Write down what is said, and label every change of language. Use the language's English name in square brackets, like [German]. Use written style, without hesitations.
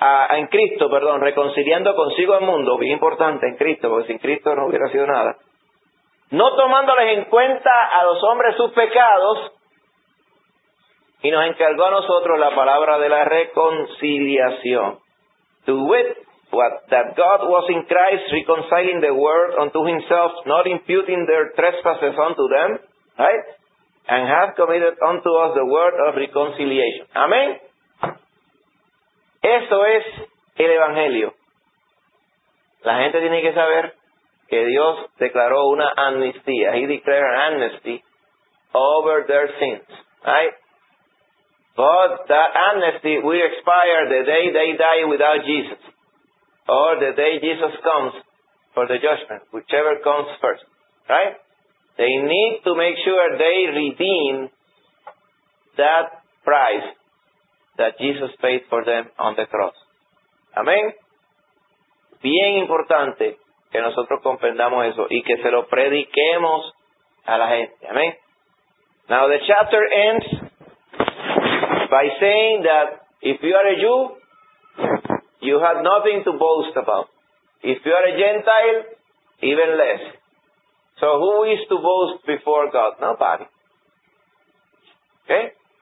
[Spanish] En Cristo, perdón, reconciliando consigo al mundo, bien importante en Cristo, porque sin Cristo no hubiera sido nada, no tomándoles en cuenta a los hombres sus pecados, y nos encargó a nosotros la palabra de la reconciliación. [English] To wit, what that God was in Christ reconciling the world unto himself, not imputing their trespasses unto them, right? and have committed unto us the word of reconciliation. [Spanish] Amén. Eso es el Evangelio. La gente tiene que saber que Dios declaró una amnistía. [English] He declared an amnesty over their sins. Right? But that amnesty will expire the day they die without Jesus. Or the day Jesus comes for the judgment. Whichever comes first. Right? They need to make sure they redeem that price that Jesus paid for them on the cross. [Spanish] Amén. Bien importante que nosotros comprendamos eso y que se lo prediquemos a la gente. Amén. [English] Now the chapter ends by saying that if you are a Jew, you have nothing to boast about. If you are a Gentile, even less. So who is to boast before God? Nobody. Okay?